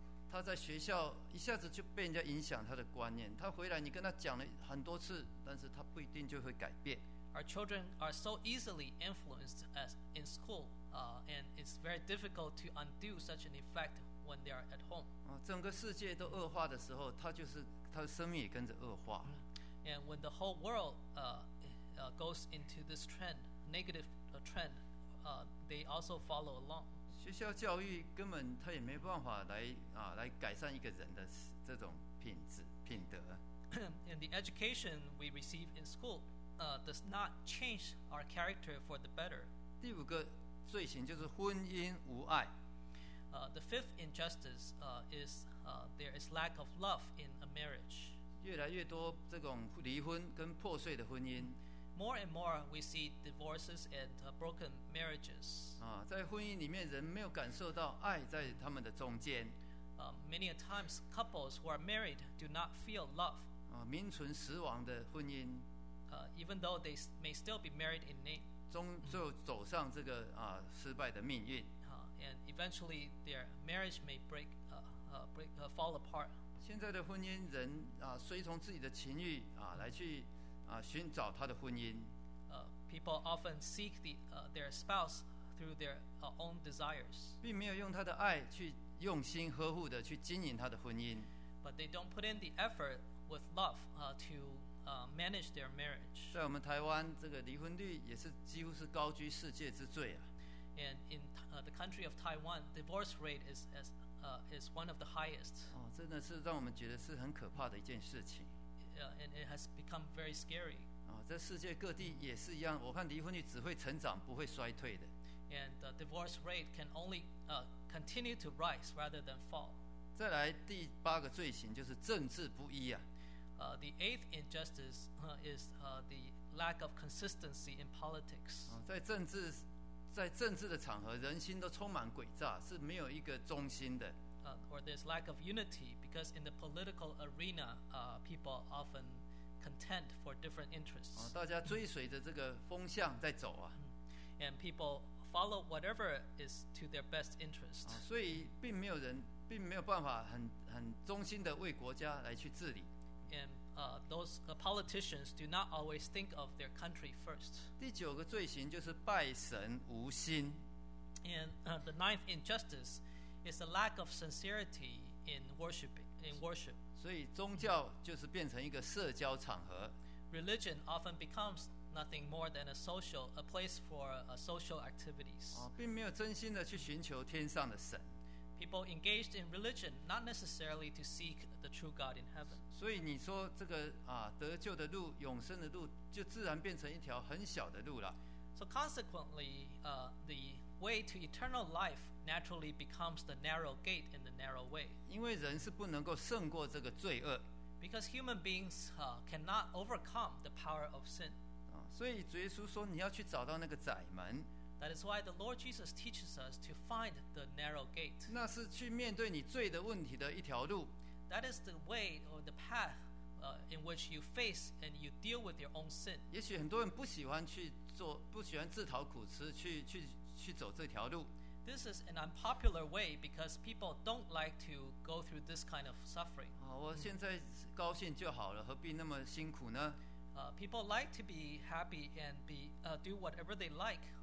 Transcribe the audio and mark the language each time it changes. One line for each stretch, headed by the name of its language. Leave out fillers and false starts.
Chinese: 他在学校一下子就被人家影响他的观念，他回来你跟他讲了很多次，但是他不一定就会改变。
English: Our children are so easily influenced as in school, and it's very difficult to undo such an effect when they are at home.
Chinese: 整个世界都恶化的时候，他的生命也跟着恶化。
English: And when the whole world goes into this trend, negative trend, they also follow along.
Chinese: 学校教育根本他也没办法来改善一个人的这种品质品德。
English: And the education we receive in school. Does not change our character for the better.
Chinese: 第五个罪行就是婚姻无爱。
English: The fifth injustice is there is lack of love in a marriage.
Chinese: 越来越多这种离婚跟破碎的婚姻。
English: More and more we see divorces and broken marriages.
Chinese: 在婚姻里面，人没有感受到爱在他们的中间。
English: Many a times couples who are married do not feel love.
Chinese: 名存实亡的婚姻。
English: Even though they may still be married in name,
Chinese: 终就走上这个失败的命运。
English: And eventually their marriage may fall apart.
Chinese: 现在的婚姻人随从自己的情欲来去寻找他的婚姻。
English: People often seek their spouse through their own desires,
Chinese: 并没有用他的爱去用心呵护的去经营他的婚姻。
English: But they don't put in the effort with love to. Manage their marriage.
Chinese: 在我们台湾，这个离婚率也是几乎是高居世界之最啊。
English: And in the country of Taiwan, divorce rate is one of the highest.
Chinese: 真的是让我们觉得是很可怕的一件事情。
English: And it has become very scary.
Chinese: 在世界各地也是一样，我看离婚率只会成长，不会衰退的。
English: And the divorce rate can only continue to rise rather than fall.
Chinese: 再来第八个罪行就是政治不一啊。
English: The eighth injustice is the lack of consistency in politics.
Chinese: 在政治的场合，人心都充满诡诈，是没有一个中心的。
English: Or there's lack of unity because in the political arena, people often contend for different interests.
Chinese: 大家追随着这个风向在走啊。
English: And people follow whatever is to their best interest.
Chinese: 所以并没有办法很忠心的为国家来去治理。
English: And those politicians do not always think of their country first.
Chinese: 第九个罪行就是拜神无心。
English: And the ninth injustice is the lack of sincerity in worship.
Chinese: 所以宗教就是变成一个社交场合。
English: Religion often becomes nothing more than a place for social activities.
Chinese: 并没有真心的去寻求天上的神。
English: People engaged in religion, not necessarily to seek the true God in heaven.
Chinese: 所以你说这个得救的路，永生的路，就自然变成一条很小的路了。
English: So consequently, the way to eternal life naturally becomes the narrow gate in the narrow way.
Chinese: 因为人是不能够胜过这个罪恶。
English: Because human beings cannot overcome the power of sin.
Chinese: 所以主耶稣说你要去找到那个窄门。
English: That is why the Lord Jesus teaches us to find the narrow gate.
Chinese: 那是去面对你罪的问题的一条路。
English: That is the way or the path in which you face and you deal with your own sin.
Chinese: 也许很多人不喜欢去做，不喜欢自讨苦吃，去走这条路。
English: This is an unpopular way because people don't like to go through this kind of suffering.
Chinese: 我现在高兴就好了，何必那么辛苦呢？
English: People like to be happy and be do whatever they like.